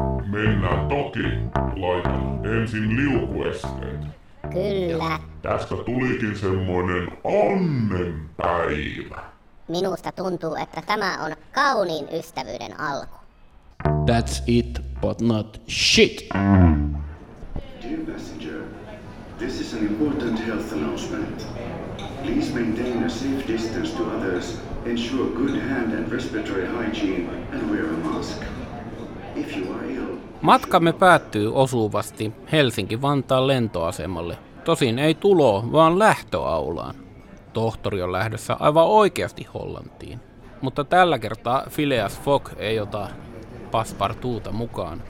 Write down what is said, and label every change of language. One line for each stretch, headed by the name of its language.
Finnish: Mennään toki. Laitan ensin liukuesteet. Kyllä. Tästä tulikin semmoinen onnenpäivä. Minusta tuntuu, että tämä on kauniin ystävyyden alku.
English: That's it, but not shit. Dear passenger, this is an important health announcement. Please maintain a safe distance to others, ensure good hand and respiratory hygiene, and wear a mask. If you are ill...
Finnish: Matkamme päättyy osuvasti Helsinki-Vantaan lentoasemalle. Tosin ei tulo, vaan lähtöaulaan. Tohtori on lähdössä aivan oikeasti Hollantiin. Mutta tällä kertaa Phileas Fogg ei ota passepartouta mukaan.